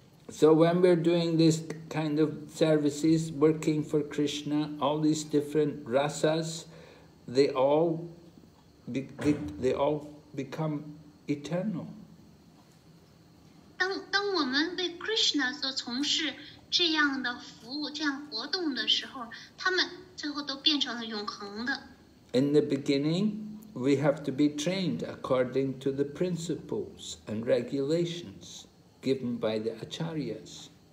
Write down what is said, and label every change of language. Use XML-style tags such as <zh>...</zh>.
<en>So when we're doing this kind of services, working for Krishna, all these different rasas, they all become eternal.</en> <zh>当我们为Krishna所从事这样的服务，这样活动的时候，他们最后都变成了永恒的。</zh> <en>In the beginning, we have to be trained according to the principles and regulations given by the acharyas.</en>